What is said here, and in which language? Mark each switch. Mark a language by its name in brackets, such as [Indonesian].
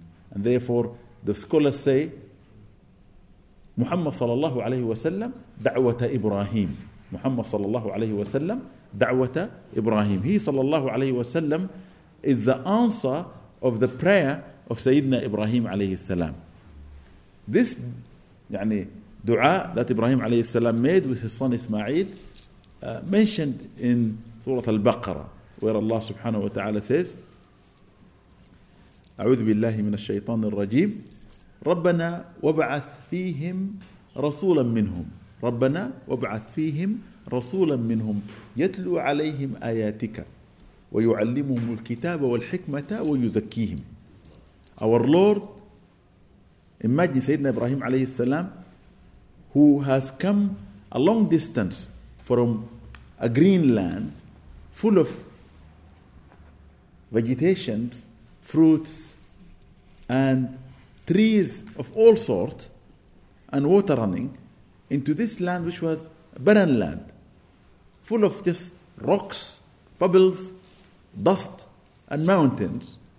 [English] And therefore, the scholars say Muhammad sallallahu alayhi wa sallam da'wata Ibrahim. Muhammad sallallahu alayhi wa sallam da'wata Ibrahim. He sallallahu alayhi wa sallam is the answer of the prayer of Sayyidina Ibrahim alayhi salam. This يعني dua that Ibrahim alayhi salam made with his son Ismail mentioned in Surah Al-Baqarah, where Allah subhanahu wa ta'ala says [Arabic] أعوذ بالله من الشيطان الرجيم ربنا وبعث فيهم رسولا منهم ربنا وبعث فيهم رسولا منهم يتلو عليهم آياتك ويعلمهم الكتاب والحكمة ويزكيهم. [English] Our Lord, imagine Sayyidina Ibrahim alayhi salam, who has come a long distance from a green land full of vegetation, fruits, and trees of all sorts, and water running into this land which was barren land, full of just rocks, pebbles, dust, and mountains.